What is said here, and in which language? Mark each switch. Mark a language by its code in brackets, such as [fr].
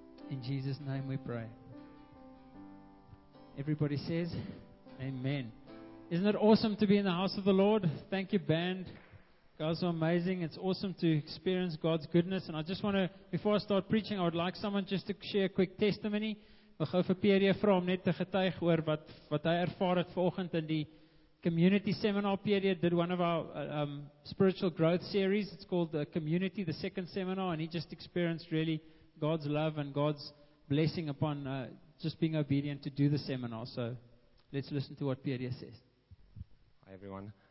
[en] In Jesus' name we pray. Everybody says, amen. Isn't it awesome to be in the house of the Lord? Thank you, band. Guys are amazing. It's awesome to experience God's goodness. And I just want to, before I start preaching, I would like someone just to share a quick testimony. [af] We gaan vir Pierre vra om net te getuig oor wat hy ervaar het vanoggend in die community seminar. [en] Pierre did one of our spiritual growth series. It's called the community, the second seminar, and he just experienced really God's love and God's blessing upon just being obedient to do the seminar. So let's listen to what Pierre says. Hi everyone.